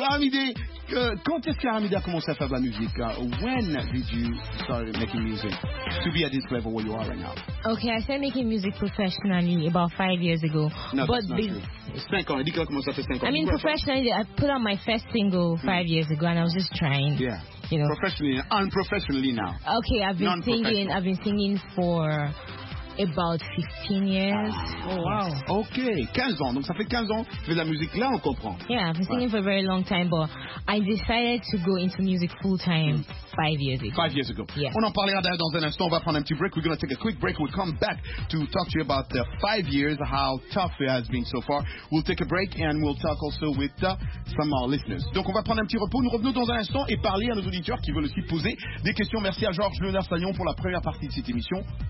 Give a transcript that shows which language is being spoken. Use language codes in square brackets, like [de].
[fr] Aramidé, quand est-ce qu'Aramidé a commencé à faire de la musique? [en] When did you start making music? To be at this level where you are right now. Okay, I started making music professionally about 5 years ago. No, but that's not true. I mean, professionally, I put out my first single 5 years ago, and I was just trying. Yeah. You know. Professionally, unprofessionally now. Okay, I've been singing for about 15 years. Oh, wow. [fr] Okay, 15 ans. Donc, ça fait 15 ans que tu fais de la musique. Là, on comprend. [en] Yeah, I've been singing for a very long time, but I decided to go into music full-time. Mm. 5 years ago. [fr] Yes. On en parlera d'ailleurs dans un instant. On va prendre un petit break. [en] We're going to take a quick break. We'll come back to talk to you about the 5 years, how tough it has been so far. We'll take a break and we'll talk also with some of our listeners. [fr] Donc, on va prendre un petit repos. Nous revenons dans un instant et parler à nos auditeurs qui veulent aussi poser des questions. Merci à Georges Léonard Sagnon pour la première partie de cette émission.